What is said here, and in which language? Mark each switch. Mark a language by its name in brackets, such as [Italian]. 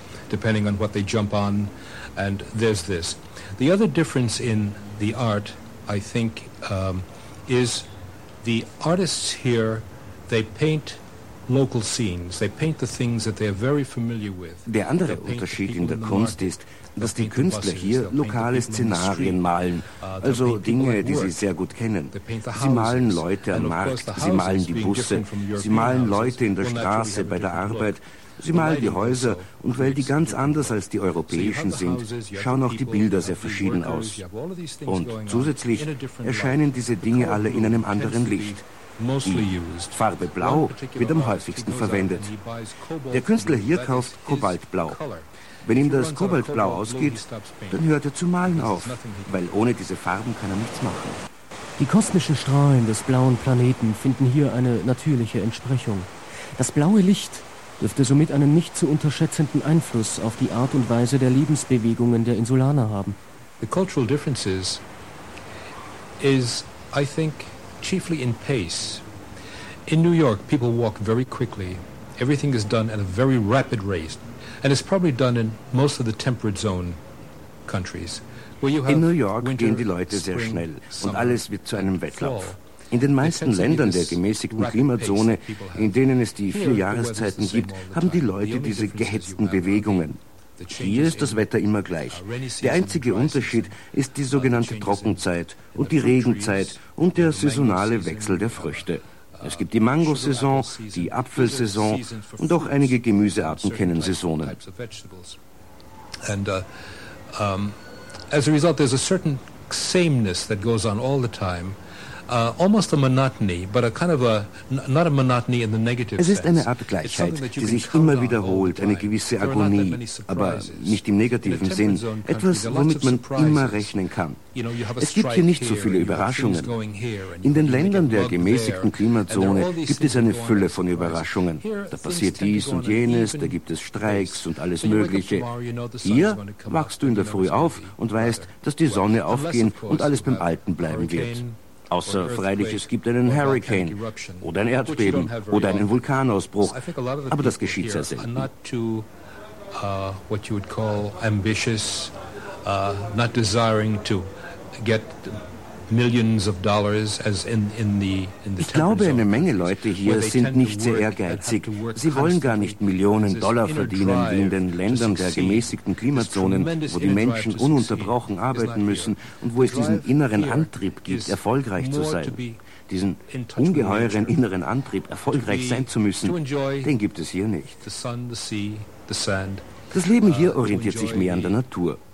[English] Depending on what they jump on, and there's this. The other difference in the art, I think, is the artists here, they paint local scenes. They paint the things that they are very familiar with. [German] Der andere Unterschied in der Kunst ist, dass die Künstler hier lokale Szenarien malen, also Dinge, die sie sehr gut kennen. Sie malen Leute am Markt, sie malen die Busse, sie malen Leute in der Straße, bei der Arbeit. Sie malen die Häuser und weil die ganz anders als die europäischen sind, schauen auch die Bilder sehr verschieden aus. Und zusätzlich erscheinen diese Dinge alle in einem anderen Licht. Die Farbe Blau wird am häufigsten verwendet. Der Künstler hier kauft Kobaltblau. Wenn ihm das Kobaltblau ausgeht, dann hört er zu malen auf, weil ohne diese Farben kann er nichts machen. Die kosmischen Strahlen des blauen Planeten finden hier eine natürliche Entsprechung. Das blaue Licht dürfte somit einen nicht zu unterschätzenden Einfluss auf die Art und Weise der Lebensbewegungen der Insulaner haben. [English] The cultural differences is, I think, chiefly in pace. In New York, people walk very quickly. Everything is done at a very rapid rate. And it's probably done in most of the temperate zone countries. [German] In New York gehen die Leute sehr schnell und alles wird zu einem Wettlauf. In den meisten Ländern der gemäßigten Klimazone, in denen es die vier Jahreszeiten gibt, haben die Leute diese gehetzten Bewegungen. Hier ist das Wetter immer gleich. Der einzige Unterschied ist die sogenannte Trockenzeit und die Regenzeit und der saisonale Wechsel der Früchte. Es gibt die Mangosaison, die Apfelsaison und auch einige Gemüsearten kennen Saisonen. [English] And as a result, there's a certain sameness that goes on all the time. Almost a monotony, but a kind of a not a monotony in the negative sense. [German] Es ist eine Art Gleichheit, die sich immer wiederholt, eine gewisse Agonie, aber nicht im negativen Sinn. Etwas, womit man immer rechnen kann. Es gibt hier nicht so viele Überraschungen. In den Ländern der gemäßigten Klimazone gibt es eine Fülle von Überraschungen. Da passiert dies und jenes, da gibt es Streiks und alles Mögliche. Hier wachst du in der Früh auf und weißt, dass die Sonne aufgehen und alles beim Alten bleiben wird. Außer freilich, es gibt einen Hurricane oder ein Erdbeben oder einen Vulkanausbruch. Aber das geschieht sehr selten. [English] What you would call ambitious, not desiring to get millions of dollars as in the [German] Ich glaube, eine Menge Leute hier sind nicht sehr ehrgeizig. Sie wollen gar nicht Millionen Dollar verdienen wie in den Ländern der gemäßigten Klimazonen, wo die Menschen ununterbrochen arbeiten müssen und wo es diesen inneren Antrieb gibt, erfolgreich zu sein. Diesen ungeheuren inneren Antrieb, erfolgreich sein zu müssen, den gibt es hier nicht. Das Leben hier orientiert sich mehr an der Natur.